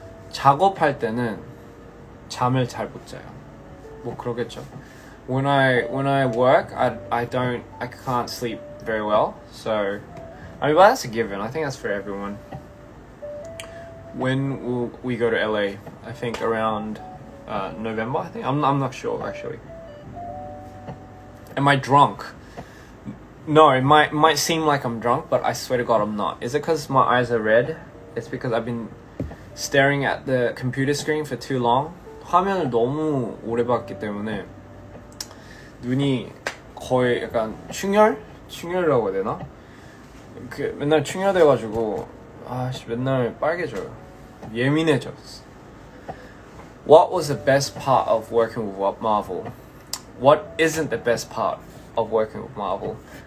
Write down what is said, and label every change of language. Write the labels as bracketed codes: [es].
[ko] 작업할 때는 잠을 잘 못 자요. 뭐 그러겠죠. [en] When I work, I can't sleep very well. So, I mean, well, that's a given. I think that's for everyone. When will we go to LA? I think around November. I think I'm not sure actually. Am I drunk? No, it might seem like I'm drunk, but I swear to God, I'm not. Is it because my eyes are red? It's because I've been staring at the computer screen for too long. [ko] 화면을 너무 오래 봤기 때문에 눈이 거의 약간 충혈? 충혈이라고 해야 되나? 그 맨날 충혈돼가지고 아씨 맨날 빨개져요. 예민해졌어. [en] What was the best part of working with Marvel? What isn't the best part of working with Marvel?